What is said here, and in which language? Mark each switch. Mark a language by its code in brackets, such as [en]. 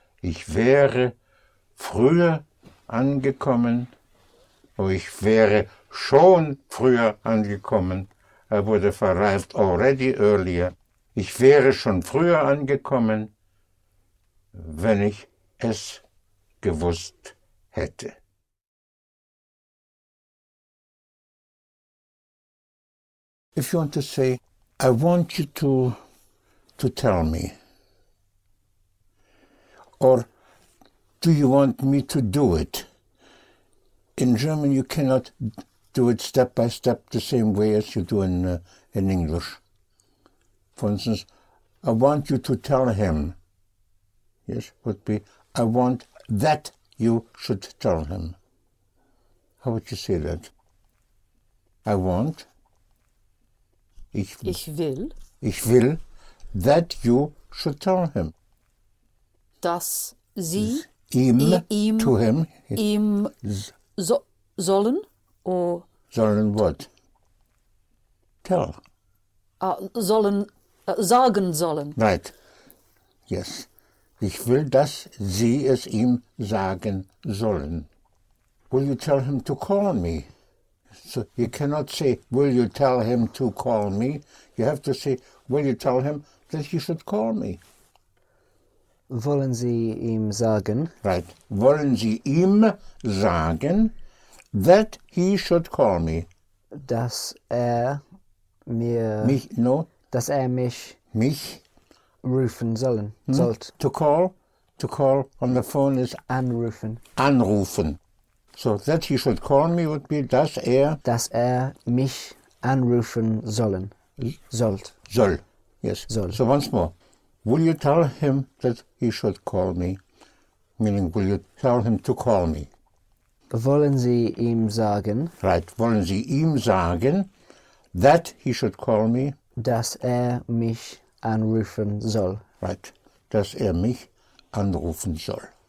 [de] Ich wäre früher angekommen. Oh, ich wäre schon früher angekommen. [en] I would have arrived already earlier. Ich wäre schon früher angekommen, wenn ich es gewusst hätte. If you want to say, I want you to tell me. Or, do you want me to do it? In German, you cannot do it step by step the same way as you do in English. For instance, I want you to tell him. Yes, would be, I want that you should tell him. How would you say that? I want. [de] Ich will. Ich will [en] that you should tell him. [de] Dass Sie [en] ihm to him. [de] Ihm sollen or? Sollen [en] what? Tell. [de] Sollen, sagen sollen. [en] Right. Yes. [de] Ich will, dass Sie es ihm sagen sollen. [en] Will you tell him to call me? So you cannot say, will you tell him to call me? You have to say, will you tell him that he should call me? [de] Wollen Sie ihm sagen? [en] Right. [de] Wollen Sie ihm sagen, [en] that he should call me? [de] Dass er mir... Mich, [en] no. [de] Dass er mich... Mich? Rufen sollen, sollt. [en] To call? To call on the phone is... [de] Anrufen. Anrufen. [en] So, that he should call me would be, [de] dass er... Dass er mich anrufen sollen, sollt. Soll, [en] yes. [de] Soll. [en] So, once more. Will you tell him that he should call me? Meaning, will you tell him to call me? [de] Wollen Sie ihm sagen? [en] Right. [de] Wollen Sie ihm sagen, [en] that he should call me? [de] Dass er mich anrufen soll. [en] Right. [de] Dass er mich anrufen soll.